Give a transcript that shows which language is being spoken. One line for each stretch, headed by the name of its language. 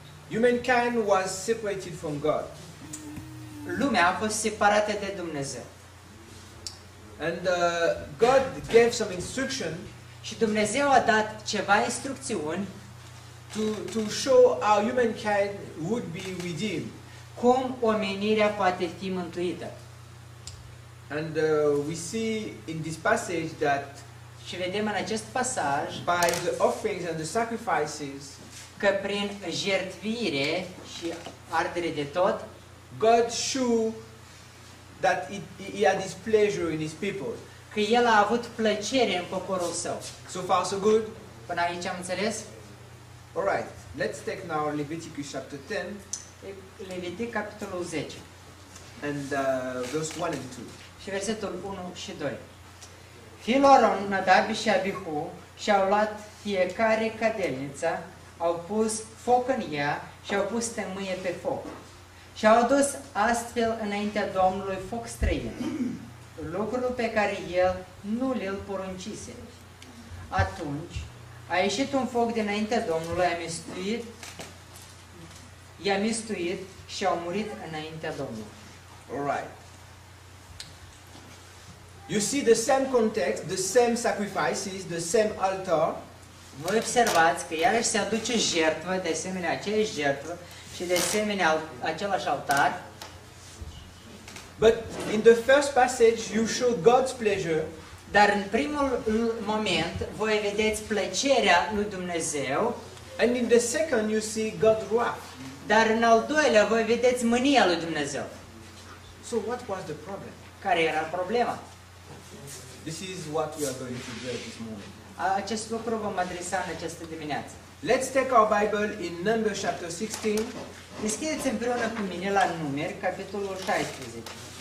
English: humankind was separated from God.
Romanian: Lumea a fost separată de Dumnezeu.
English: And God gave some instruction.
Romanian: Și Dumnezeu a dat ceva instrucțiuni
English: to show how humankind would be redeemed.
Romanian: Cum omenirea poate fi mântuită.
English: And we see in this passage that
Romanian: și vedem în acest pasaj
English: by the offerings and the sacrifices,
Romanian: că prin jertfire și ardere de tot,
English: God show that he had his pleasure in his people.
Romanian: Că el a avut plăcere în poporul său.
English: So far so good?
Romanian: Până aici am înțeles?
English: All right. Let's take now Leviticus chapter 10.
Romanian: Levitic capitolul 10.
English: And verse 1 and 2.
Romanian: Și versetul 1 și 2. Fiilor Aron, Nadab și Abihu și-au luat fiecare cadelniță, au pus foc în ea și au pus tămâie pe foc. Și au dus astfel înaintea Domnului foc străin, lucrul pe care el nu le-l poruncise. Atunci a ieșit un foc dinaintea Domnului, i-a mistuit și au murit înaintea Domnului.
English: All right. You see the same context, the same sacrifices, the same altar.
Romanian: Voi observați că iarăși se aduce jertfă, de asemenea aceeași jertfă și de asemenea același altar.
English: But in the first passage you show God's pleasure.
Romanian: Dar în primul moment voi vedeți plăcerea lui Dumnezeu.
English: And in the second you see God's wrath.
Romanian: Dar în al doilea voi vedeți mânia lui Dumnezeu.
English: So what was the problem?
Romanian: Care era problema?
English: This is what we are going to do this morning.
Romanian: Acest lucru vom adresa în această dimineață.
English: Let's take our Bible in Numbers chapter 16.
Romanian: Deschideți împreună cu mine la Numeri, capitolul 16.